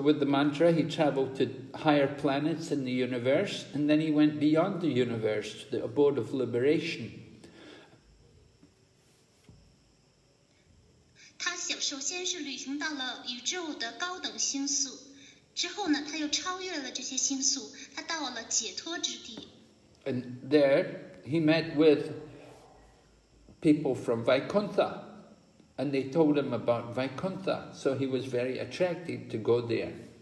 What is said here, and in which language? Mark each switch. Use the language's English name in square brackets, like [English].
[English] with the mantra, he traveled to higher planets in the universe, and then he went beyond the universe to the abode of liberation. [Chinese] 他首先是旅行到了宇宙的高等星宿。 [English] And there, he met with people from Vaikuntha, and they told him about Vaikuntha, so he was very attracted to go there.